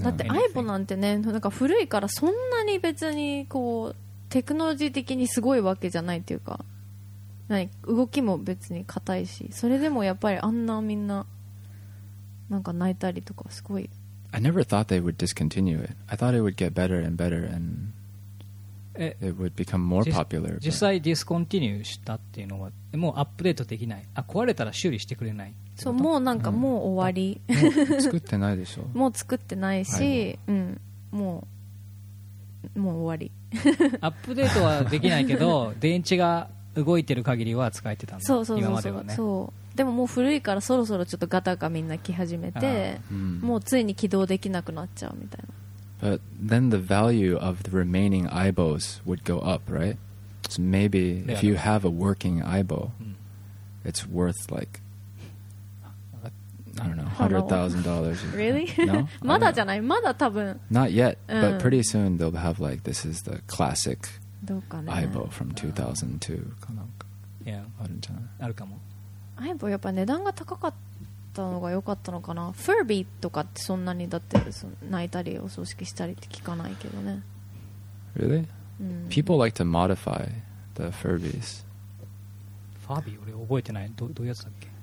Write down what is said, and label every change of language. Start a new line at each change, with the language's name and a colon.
Japanese: だって iPhone なんてね、なんか古いからそんなに別にこうテクノロジー的にすごいわけじゃないっていうか。何動きも別に硬いしそれでもやっぱりあんなみんななんか泣いたりとかすごい
English: I never thought they would discontinue it I thought it would get better and better and it would become more popular
Japanese: 実際ディスコンティニューしたっていうのはもうアップデートできないあ壊れたら修理してくれないそうもうなんかもう終わり、もう作ってないでしょもう作ってないし、はいうん、もう終わりアップデートはできないけど電池が動いてる限りは使えてたんだ。そうそうそうそう、今まではね。そう、でももう古いからそろそろちょっとガタガみんな来始めて、もうついに起動できなくなっちゃうみたいな。
English: But then the value of the remaining eyeballs would go up, right? So maybe if you have a working eyeball, it's worth like I don't know, $100,000. Really? No?
Japanese: まだじゃない、まだ多分。
English: Not yet, but pretty soon they'll have like, this is the classic eyeball from 2002
Japanese: かなんか。 Yeah, あるんじゃない、あるかも。アイボやっぱ値段が高かったのが良かったのかな。フービーとかってそんなにだってその泣いたりお葬式したりって聞かないけどね。
English: Really?、うん、People like to modify the Furbies.
Japanese: ファービー俺覚えてない、 どういうやつだっけ。